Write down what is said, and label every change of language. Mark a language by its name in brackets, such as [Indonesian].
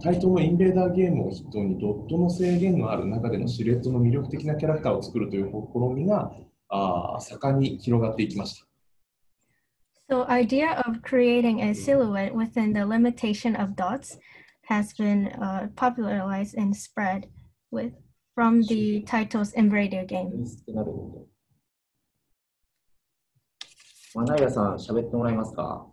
[Japanese] タイトルインベーダーゲームを筆頭にドットの制限のある中でのシルエットの魅力的なキャラクターを作るという試みが盛んに広がっていきました。 [English] So, idea of creating a silhouette within the limitation of dots has been popularized and spread with from the titles in radio games. [Japanese] マナイラさん、喋ってもらえますか？